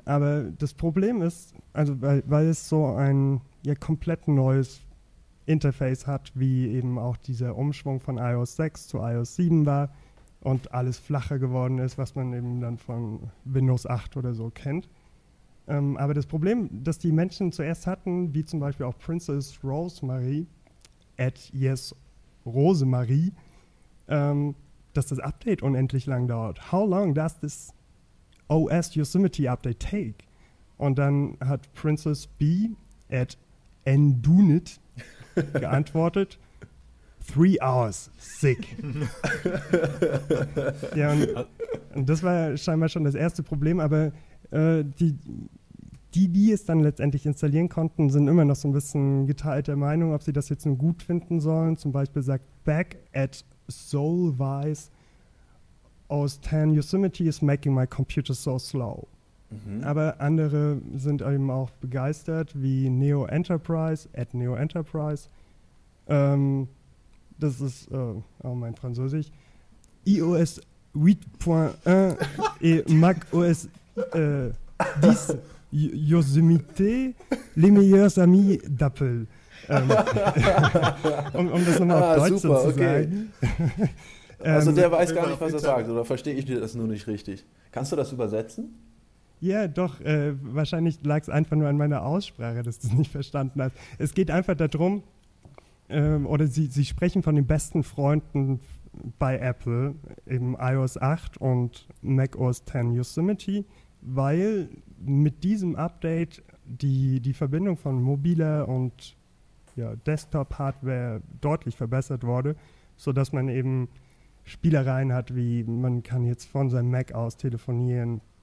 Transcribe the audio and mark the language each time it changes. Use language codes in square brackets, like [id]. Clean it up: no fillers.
[de] Aber das Problem ist, also weil es so ein komplett neues Interface hat, wie eben auch dieser Umschwung von iOS 6 zu iOS 7 war und alles flacher geworden ist, was man eben dann von Windows 8 oder so kennt. Aber das Problem, das die Menschen zuerst hatten, wie zum Beispiel auch Princess Rosemary, Rosemary, dass das Update unendlich lang dauert. [en] How long does this OS Yosemite Update take? [de] Und dann hat Princess B, @ndunit, geantwortet, [en] 3 hours, sick. [de] Ja, und das war scheinbar schon das erste Problem, aber die es dann letztendlich installieren konnten, sind immer noch so ein bisschen geteilter Meinung, ob sie das jetzt nun gut finden sollen. Zum Beispiel sagt Back at Soulwise, [en] OS X Yosemite is making my computer so slow. [de] Mhm. Aber andere sind eben auch begeistert, wie Neo Enterprise, @NeoEnterprise. Das ist, mein Französisch. [fr] iOS 8.1 et Mac OS 10 Yosemite, les meilleurs amis d'Apple. [de] um das nochmal auf Deutsch super, zu sagen. Okay. Also der weiß gar nicht, was er sagt, oder verstehe ich dir das nur nicht richtig? Kannst du das übersetzen? Ja, doch. Wahrscheinlich lag es einfach nur an meiner Aussprache, dass du es nicht verstanden hast. Es geht einfach darum, oder sie sprechen von den besten Freunden bei Apple, eben iOS 8 und Mac OS X Yosemite, weil mit diesem Update die Verbindung von mobiler und Desktop-Hardware deutlich verbessert wurde, sodass man eben Spielereien hat, wie man kann jetzt von seinem Mac aus telefonieren.